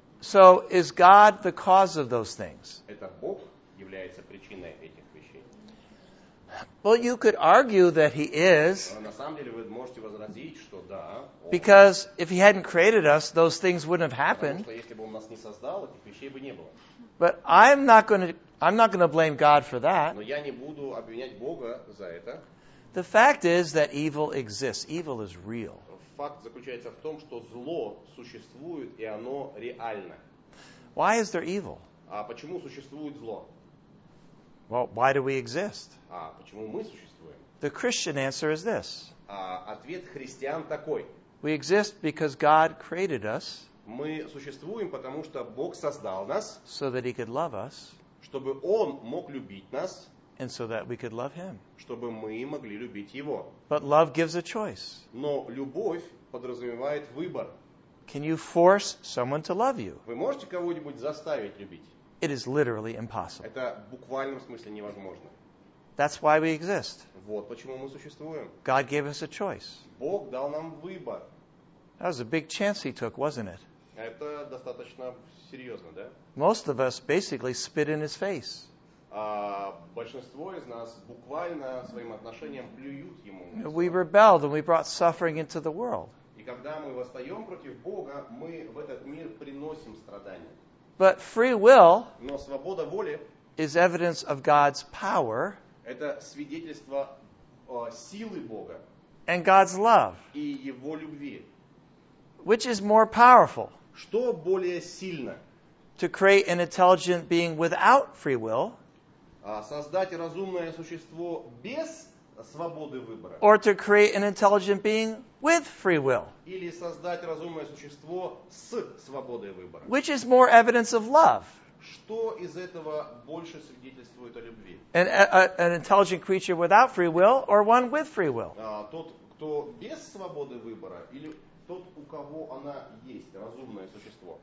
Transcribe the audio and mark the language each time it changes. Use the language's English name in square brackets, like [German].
[English] So is God the cause of those things? [Russian] Это Бог является причиной этих вещей. [English] Well, you could argue that he is. [Russian] На самом деле вы можете возразить, что да. [English] Because if he hadn't created us, those things wouldn't have happened. [Russian] Потому что если бы он нас не создал, этих вещей бы не было. [English] But I'm not going to blame God for that. [Russian] Но я не буду обвинять Бога за это. [English] The fact is that evil exists. Evil is real. [Russian] Факт заключается в том, что зло существует, и оно реально. [English] Why is there evil? [Russian] А почему существует зло? [English] Well, why do we exist? [Russian] А почему мы существуем? [English] The Christian answer is this. [Russian] Ответ христиан такой. [English] We exist because God created us. [Russian] Мы существуем, потому что Бог создал нас. [English] So that he could love us. [Russian] Чтобы он мог любить нас. [English] And so that we could love him. [Russian] Чтобы мы могли любить его. [English] But love gives a choice. [Russian] Но любовь подразумевает выбор. [English] Can you force someone to love you? [Russian] Вы можете кого-нибудь заставить любить? [English] It is literally impossible. [Russian] Это в буквальном смысле невозможно. [English] That's why we exist. [Russian] Вот почему мы существуем. [English] God gave us a choice. [Russian] Бог дал нам выбор. [English] That was a big chance he took, wasn't it? [Russian] Это достаточно серьезно, да? [English] Most of us basically spit in his face. [Russian] Большинство из нас буквально своим отношением плюют ему. [English] We rebelled and we brought suffering into the world. [Russian] И когда мы восстаем против Бога, мы в этот мир приносим страдания. [English] But free will, [Russian] но свобода воли, [English] is evidence of God's power. [Russian] Это свидетельство силы Бога. [English] And God's love. [Russian] И его любви. [English] Which is more powerful? [Russian] Что более сильно? [English] To create an intelligent being without free will. [Russian] Создать разумное существо без свободы выбора. [English] Or to create an intelligent being with free will. [Russian] Или создать разумное существо с свободой выбора. [English] Which is more evidence of love? [Russian] Что из этого больше свидетельствует о любви? [English] An intelligent creature without free will or one with free will? [Russian] Тот, кто без свободы выбора, или тот, у кого она есть, разумное существо?